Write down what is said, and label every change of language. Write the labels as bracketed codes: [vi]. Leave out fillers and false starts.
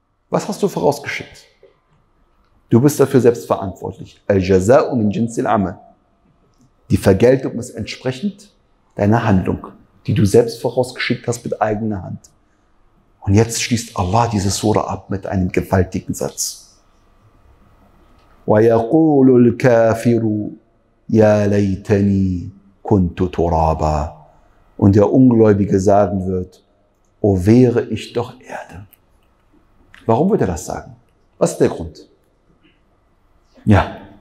[de] Was hast du vorausgeschickt? Du bist dafür selbst verantwortlich. [ar] الْجَزَاءُ مِنْ جِنْسِ الْعَمَلِ. [de] Die Vergeltung ist entsprechend deiner Handlung, die du selbst vorausgeschickt hast mit eigener Hand. Und jetzt schließt Allah diese Sura ab mit einem gewaltigen Satz. [ar] وَيَقُولُ الْكَافِرُ يَا لَيْتَنِي كُنْتُ تُرَابًا. [de] Und der Ungläubige sagen wird, oh, wäre ich doch Erde. Warum würde er das sagen? Was ist der Grund? Ja.